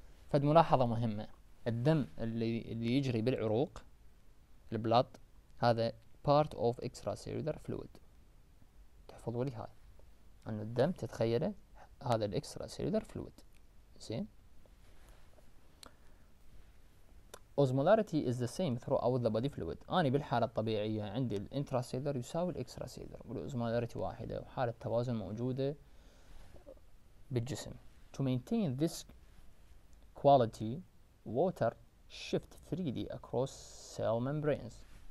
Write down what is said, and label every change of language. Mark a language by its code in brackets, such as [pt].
[ar] فد ملاحظة مهمة، الدم اللي يجري بالعروق البلاد هذا [en] part of extracellular fluid، [ar] تحفظوا لي هاي، أنه الدم تتخيله هذا الاكستراسيلولر fluid. [en] زين osmolarity is the same throughout the body fluid. [ar] أنا بالحالة الطبيعية عندي الانتراسيلر يساوي الاكستراسيلر والosmolarity واحدة وحالة توازن موجودة بالجسم. [en] To maintain this quality, water shift freely across cell membranes.